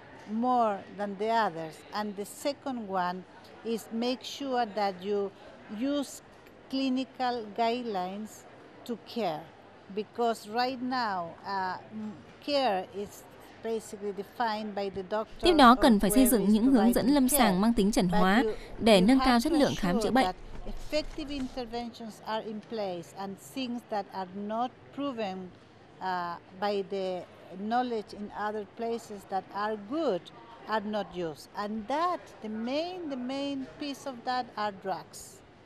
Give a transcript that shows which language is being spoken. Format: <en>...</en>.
<en>More than the others, and the second one is make sure that you use clinical guidelines to care, because right now care is basically defined by the doctor.</en> <vi>Tiếp đó cần phải xây dựng những hướng dẫn lâm sàng mang tính chẩn hóa để nâng cao chất lượng khám chữa bệnh.</vi> <en>Effective interventions are in place and things that are not proven by the knowledge in other places that are good are not used, and that the main piece of that are drugs.</en>